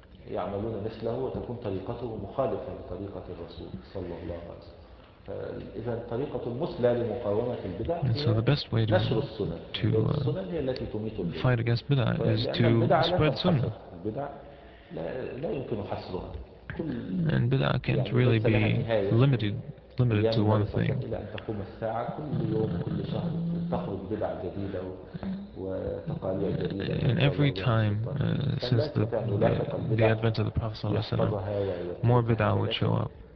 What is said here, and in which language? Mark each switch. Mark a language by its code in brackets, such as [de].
[ar] يعملون مثله وتكون طريقته مخالفة لطريقة الرسول صلى الله عليه وسلم. إذن طريقة المثلى لمقاومة البدع هي نشر السنة. السنة هي التي تميت البدع. [en] Fight against بدع is to spread سنة. [ar] البدع لا يمكن حصرها. [en] And بدع can't really be limited to one thing. [ar] إلى أن تقوم الساعة كل يوم كل شهر تخرج بدع جديدة. [en] And every time since the advent of the Prophet ﷺ, more bid'ah would show up.